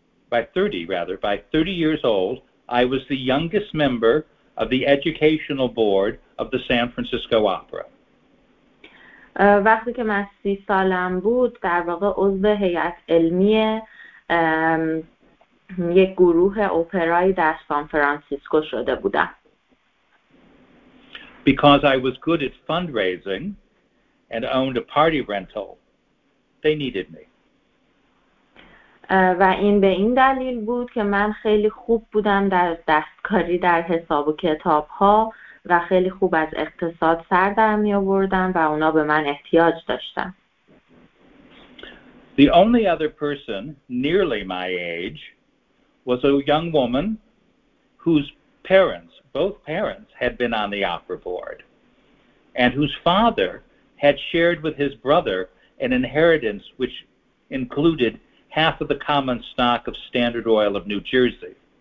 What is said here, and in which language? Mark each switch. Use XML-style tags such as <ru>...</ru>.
<en>By 30 years old I was the youngest member of the educational board of the San Francisco Opera.</en> <fa>وقتی که من 30 سالم بود در واقع عضو هیئت علمی یک گروه اپرای در سان فرانسیسکو شده بودم.</fa> <en>Because I was good at fundraising and owned a party rental. They needed me.</en> <fa>و این به این دلیل بود که من خیلی خوب بودم در دستکاری در حساب و کتاب ها و خیلی خوب از اقتصاد سر در می آوردم و اونا به من احتیاج داشتن.</fa> <en>The only other person nearly my age was a young woman whose parents, both parents, had been on the opera board and whose father had shared with his brother an inheritance which included half of the common stock of Standard Oil of New Jersey.</en>